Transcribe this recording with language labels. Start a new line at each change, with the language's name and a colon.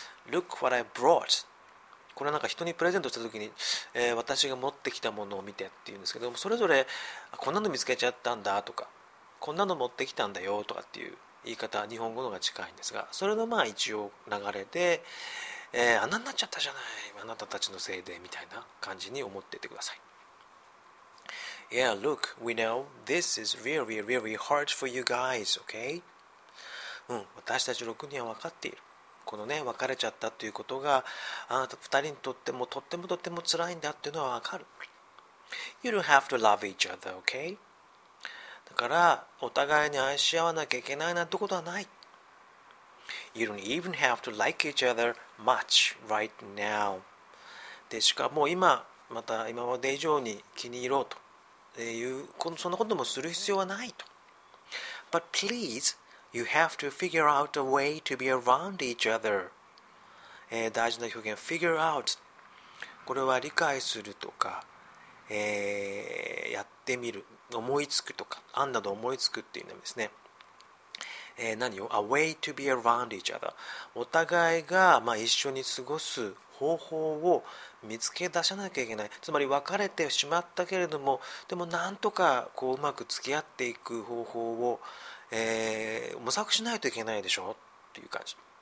English: Look what I brought、これはなんか人にプレゼントした時に、私が持ってきたものを見てっていうんですけども、それぞれこんなの見つけちゃったんだとか、こんなの持ってきたんだよとかっていう言い方は日本語のが近いんですが、それの一応流れで、あんなになっちゃったじゃない、あなたたちのせいでみたいな感じに思っていてください。 Yeah, look, we know this is really, really hard for you guys, okay?
Japanese: うん、私たち6人は分かっている。このね、別れちゃったということが、あなた2人にとってもとってもとっても辛いんだっていうのは分かる。
English: You don't have to love each other, okay?
Japanese: だから、お互いに愛し合わなきゃいけないなんてことはない。
English: You don't even have to like each other much right now.
Japanese: でしかも今また今まで以上に気に入ろうというそんなこともする必要はないと。
English: But please, you have to figure out a way to be around each other.
Japanese: 大事な表現 figure out。これは理解するとか、やってみる、思いつくとか、案など思いつくっていう意味ですね。何を
English: A way to be around each other。
Japanese: お互いが一緒に過ごす方法を見つけ出さなきゃいけない、つまり別れてしまったけれども、でもなんとかこううまく付き合っていく方法を、模索しないといけないでしょっていう感じ。